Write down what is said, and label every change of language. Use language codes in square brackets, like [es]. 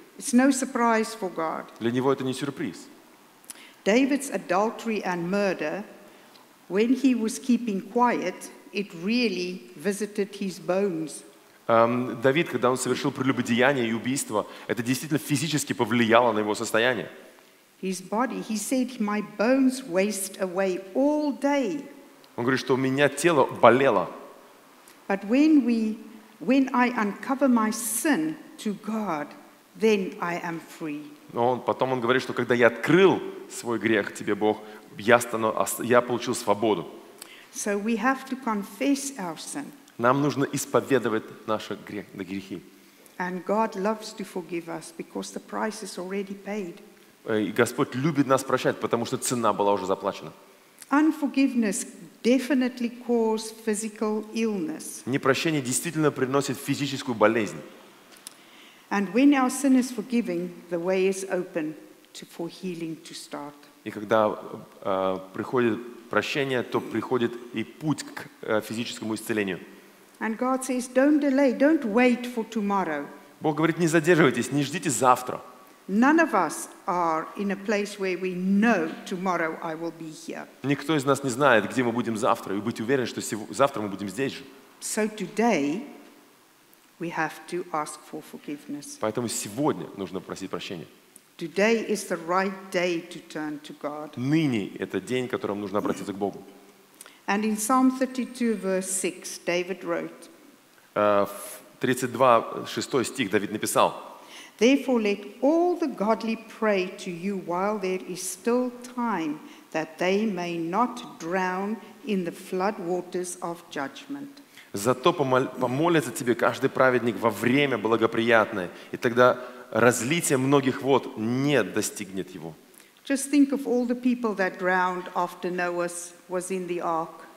[en] It's no surprise for God. [ru] Для него это не сюрприз. [en] David's adultery and murder, when he was keeping quiet, it really visited his bones. [ru] Давид, когда он совершил прелюбодеяние и убийство, это действительно физически повлияло на его состояние. [en] His body, he said, my bones waste away all day. [ru] Он говорит, что у меня тело болело. [en] But when I uncover my sin to God, then I am free. [ru] Но потом он говорит, что когда я открыл свой грех тебе, Бог, я получил свободу. [en] So we have to confess our sin. [ru] Нам нужно исповедовать наши грехи. [en] And God loves to forgive us because the price is already paid. [ru] Господь любит нас прощать, потому что цена была уже заплачена. [en] Unforgiveness definitely causes physical illness. [ru] Непрощение действительно приносит физическую болезнь. [en] And when our sin is forgiven, the way is open for healing to start. [ru] И когда приходит прощение, то приходит и путь к физическому исцелению. [en] And God says, don't delay, don't wait for tomorrow. [ru] Бог говорит, не задерживайтесь, не ждите завтра. [en] None of us are in a place where we know tomorrow I will be here. [ru] Никто из нас не знает, где мы будем завтра, и быть уверен, что завтра мы будем здесь же. [en] So today we have to ask for forgiveness. [ru] Поэтому сегодня нужно просить прощения. [en] Today is the right day to turn to God. [ru] Ныне это день, которым нужно обратиться к Богу. [en] And in Psalm 32, verse 6, David wrote. [ru] 32, 6 стих Давид написал. [en] Therefore, let all the godly pray to you while there is still time, that they may not drown in the flood waters of judgment. [ru] Зато помолится тебе каждый праведник во время благоприятное, и тогда разлитие многих вод не достигнет его. [en] Just think of all the people that drowned after Noah was in the ark.